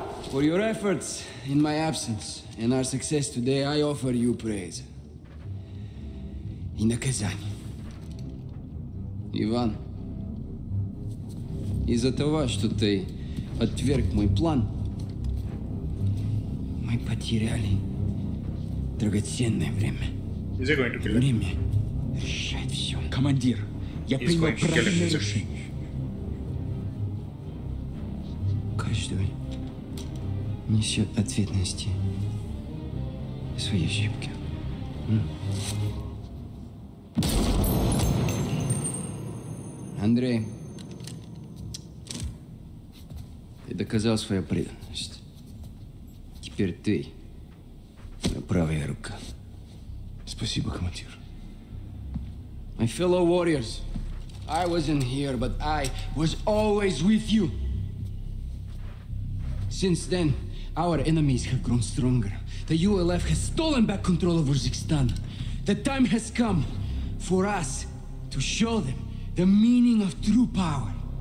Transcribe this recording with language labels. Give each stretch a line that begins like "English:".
English: For your efforts in my absence and our success today, I offer you praise. In the Kazan.
Russian: Иван, из-за того, что ты отверг мой план, Мы потеряли драгоценное время.
English: Is he going to kill
Russian: him? Время решает все. Командир, я принял правильное решение. Каждый несет ответственности за свои ошибки. Андрей, ты доказал свою преданность. Теперь ты моя правая рука. Спасибо, командир.
English: My fellow warriors, I wasn't here, but I was always with you. Since then, our enemies have grown stronger. The ULF has stolen back control of Uzbekistan. The time has come for us to show them the meaning of true power.